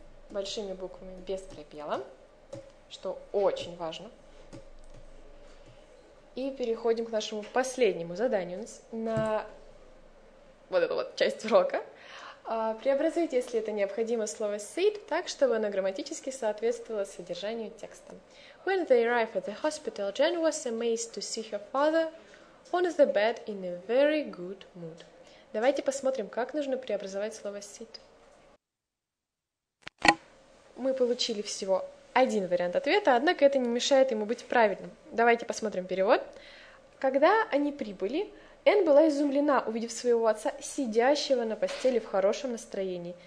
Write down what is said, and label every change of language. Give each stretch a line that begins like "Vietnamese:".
Russian: Большими буквами, без пробела, что очень важно. И переходим к нашему последнему заданию на вот эту вот часть урока. Преобразуйте, если это необходимо, слово sit так, чтобы оно грамматически соответствовало содержанию текста.
English: When they arrived at the hospital, Jane was amazed to see her father on the bed in a very good mood.
Russian: Давайте посмотрим, как нужно преобразовать слово sit. Мы получили всего один вариант ответа, однако это не мешает ему быть правильным. Давайте посмотрим перевод. Когда они прибыли, Энн была изумлена, увидев своего отца, сидящего на постели в хорошем настроении.